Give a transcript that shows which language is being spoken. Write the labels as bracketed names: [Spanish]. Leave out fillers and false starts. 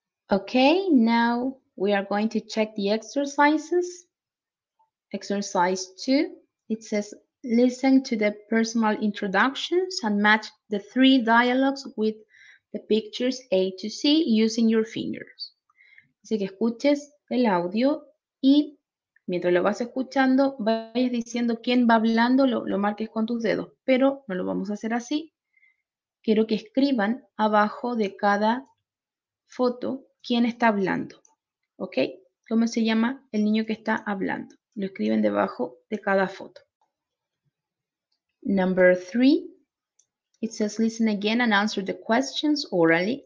[English] Okay, now we are going to check the exercises. Exercise 2, it says, Listen to the personal introductions and match the three dialogues with the pictures A to C using your fingers. [Spanish] Así que escuches el audio y mientras lo vas escuchando, vayas diciendo quién va hablando, lo marques con tus dedos. Pero no lo vamos a hacer así. Quiero que escriban abajo de cada foto quién está hablando. ¿Ok? ¿Cómo se llama el niño que está hablando? Lo escriben debajo de cada foto. [English] Number three, it says listen again and answer the questions orally.